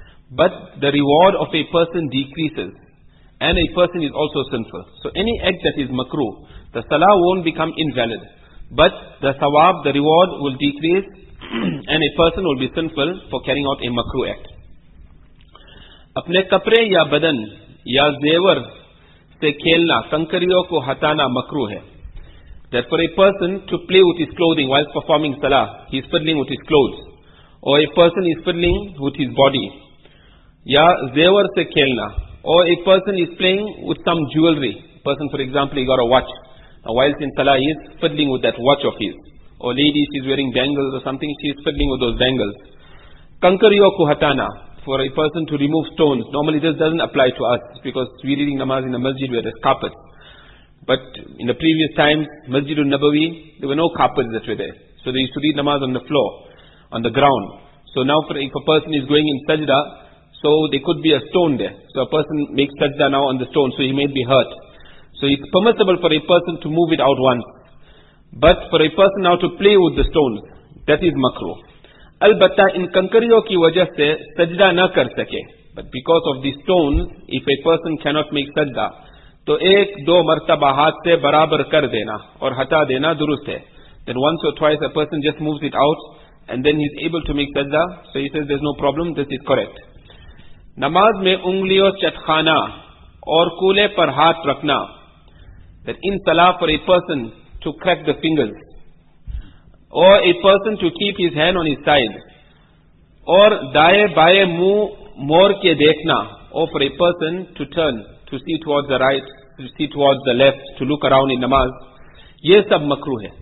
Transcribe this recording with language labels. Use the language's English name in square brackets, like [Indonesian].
[English] But the reward of a person decreases and a person is also sinful. So any act that is makruh, the salah won't become invalid. But the sawab, the reward will decrease and a person will be sinful for carrying out a makruh act. [Urdu] اپنے کپڑے یا بدن یا زیور سے کھیلنا کنکریوں کو ہٹانا مکروہ ہے. [English] That for a person to play with his clothing while performing salah, he is fiddling with his clothes. Or a person is fiddling with his body. [Urdu] یا زیور سے کھیلنا. [English] Or a person is playing with some jewelry. Person, for example, he got a watch. Now, whilst in salah, he is fiddling with that watch of his. Or lady, she is wearing bangles or something, she is fiddling with those bangles. [Urdu] کنکریوں کو ہٹانا. [English] For a person to remove stones. Normally this doesn't apply to us because we're reading namaz in the masjid where there's carpet. But in the previous times, Masjidun Nabawi, there were no carpets that were there. So they used to read namaz on the floor, on the ground. So now if a person is going in sajda, so there could be a stone there. So a person makes sajda now on the stone, so he may be hurt. So it's permissible for a person to move it out once. But for a person now to play with the stones, that is makruh. [Urdu] البتہ ان کنکریوں کی وجہ سے سجدہ نہ کر سکے. [English] But because of the stones, if a person cannot make [Urdu] سجدہ, تو ایک دو مرتبہ ہاتھ سے برابر کر دینا اور ہٹا دینا درست ہے. [English] Then once or twice a person just moves it out and then he's able to make سجدہ. So he says there's no problem, this is correct. [Urdu] نماز میں انگلیوں چٹخانا اور کولے پر ہاتھ رکھنا. [English] That in salah for a person to crack the fingers. Or a person to keep his hand on his side. Or [Urdu] daaye baaye muh mor ke dekhna. [English] Or for a person to turn, to see towards the right, to see towards the left, to look around in namaz. [Urdu] Ye sab makruh hai.